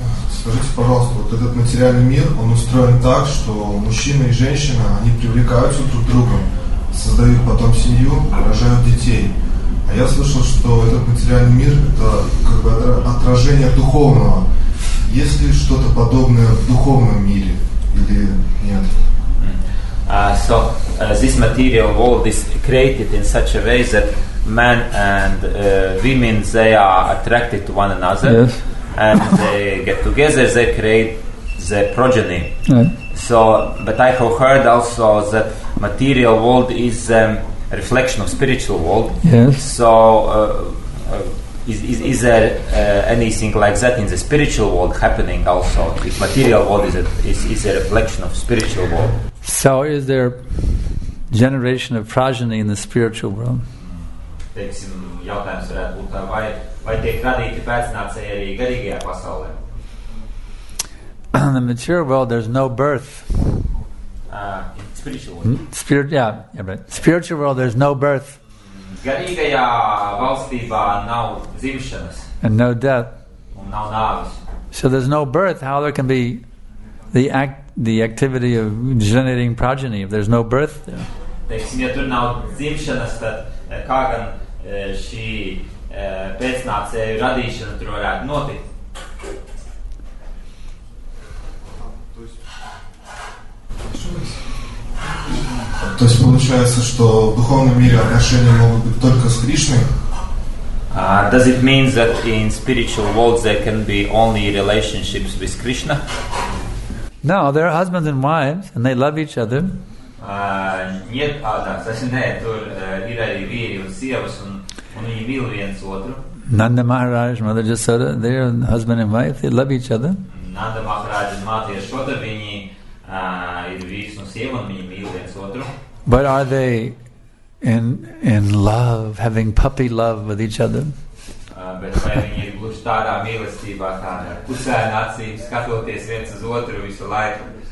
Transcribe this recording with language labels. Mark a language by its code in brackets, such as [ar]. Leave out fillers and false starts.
[ru] Скажите, пожалуйста, вот этот материальный мир, он устроен так, что мужчина и женщина, они привлекаются друг к другу, создают потом семью, рожают детей. А я слышал, что этот материальный мир – это как бы отражение духовного. Есть ли что-то подобное в духовном мире или нет? [en] So, this material world is created in such a way that men and women, they are attracted to one another. Yes. And they get together, they create the progeny. Yeah. So, but I have heard also that material world is a reflection of spiritual world. Yes. So, is there anything like that in the spiritual world happening also? If material world is a reflection of spiritual world. So, is there generation of progeny in the spiritual world? [lv] Teiksim, jautājums varētu būt tā, vai tiek radīti pēcnācēji arī garīgajā pasaulē? [en] In the material world, there's no birth. Spiritual world, there's no birth. [lv] Garīgajā valstībā nav dzimšanas. [en] And no death. [lv] Un nav nāves. [en] So there's no birth, how there can be the activity of generating progeny, if there's no birth? [lv] Teiksim, ja tur nav dzimšanas, tad kā gan šī pēcnācēju radīšana tur varētu notikt. [ru] То есть получается, что в духовном мире отношения могут быть только с Кришной? [en] Does it mean that in spiritual world there can be only relationships with Krishna? No, there are husbands and wives, and they love each other. [lv] Ir arī vīri un sievas, un viņi mīl viens otru. [en] Nanda Maharaj, Mother Jasoda, they are husband and wife, they love each other. [lv] Nanda Maharaj un Mata Jasoda, viņi ir vīrs un sieva, un viņi mīl viens otru. [en] But are they in love, having puppy love with each other? [lv] Bet vai viņi ir gluši tādā mīlestībā, tādā pusēna acīm, skatoties viens uz otru visu laiku?